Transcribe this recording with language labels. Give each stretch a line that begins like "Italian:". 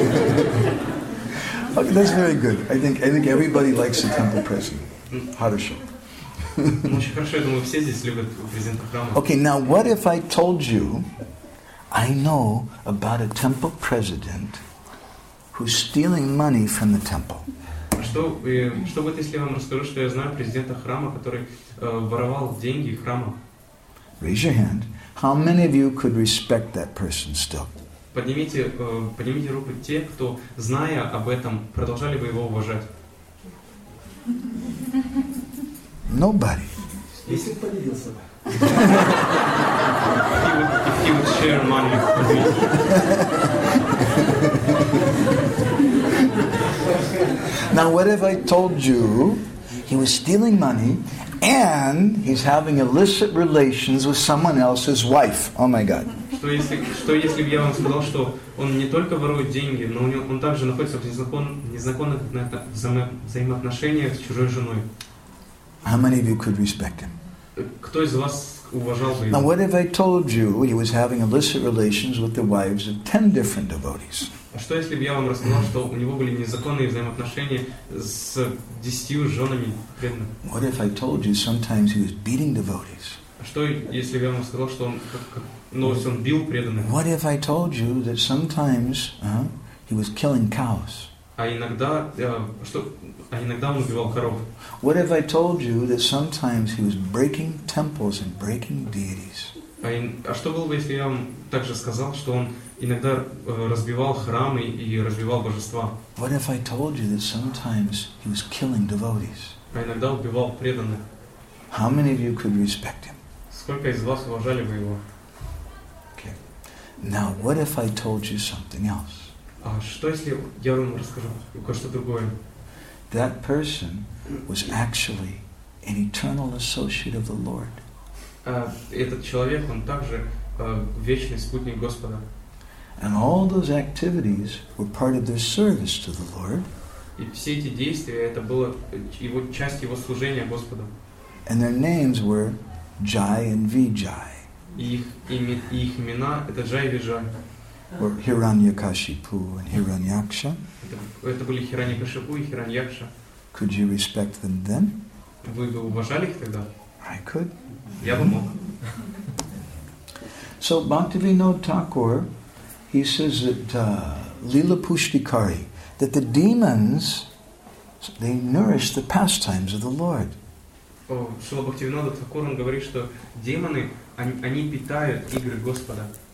English: Okay, that's very good. I think everybody likes a temple president. Harusha.
Russian: Очень хорошо, я думаю, все здесь любят президента храма.
English: Okay, now what if I told you I know about a temple president who's stealing money from the temple?
Russian: Что будет, если я вам расскажу, что я знаю президента храма, который воровал деньги храма?
English: Raise your hand. How many of you could respect that person still?
Russian: Поднимите руку те, кто, зная об этом, продолжали бы его уважать.
English: Nobody.
Russian: Если бы поделился.
English: If he would share money with me. Now, what if I told you he was stealing money and he's having illicit relations with someone else's wife? Oh my God.
Russian: Что если бы я вам сказал, что он не только ворует деньги, но он также находится в незаконных взаимоотношениях с чужой женой?
English: How many of you could respect him?
Russian: Кто из вас уважал бы его?
English: Now, what if I told you he was having illicit relations with the wives of 10 different devotees?
Russian: А что если бы я вам рассказал, что у него были незаконные взаимоотношения с 10 женами преданных?
English: What if I told you sometimes he was beating devotees?
Russian: А что если бы я вам сказал, что он бил преданных?
English: What if I told you that sometimes he was killing cows?
Russian: А иногда он убивал коров?
English: What if I told you that sometimes he was breaking temples and breaking deities?
Russian: А что было бы, если я вам также сказал, что он иногда разбивал храмы и разбивал божества?
English: What if I told you that sometimes he was killing devotees?
Russian: А иногда убивал преданных?
English: How many of you could respect him?
Russian: Сколько из вас уважали бы его?
English: Okay. Now, what if I told you something else?
Russian: А что если я вам расскажу кое-что другое?
English: That person was actually an eternal associate of the Lord.
Russian: Этот человек, он также вечный спутник Господа.
English: And all those activities were part of their service to the Lord.
Russian: И все эти действия, это было его часть его служения Господу.
English: And their names were Jai and Vijay.
Russian: Их имена это Джай и Виджай.
English: Or Hiranyakashipu and Hiranyaksha.
Russian: Это были Хираньякашипу и Хираньякша.
English: Could you respect them then?
Russian: Вы бы уважали их тогда?
English: I could.
Russian: Я бы мог.
English: So Bhaktivinoda Thakur, he says that Lila Pushtikari, that the demons, they nourish the pastimes of the Lord.
Russian: Шрила Бхактивинода Тхакур говорит, что демоны, они питают игры Господа.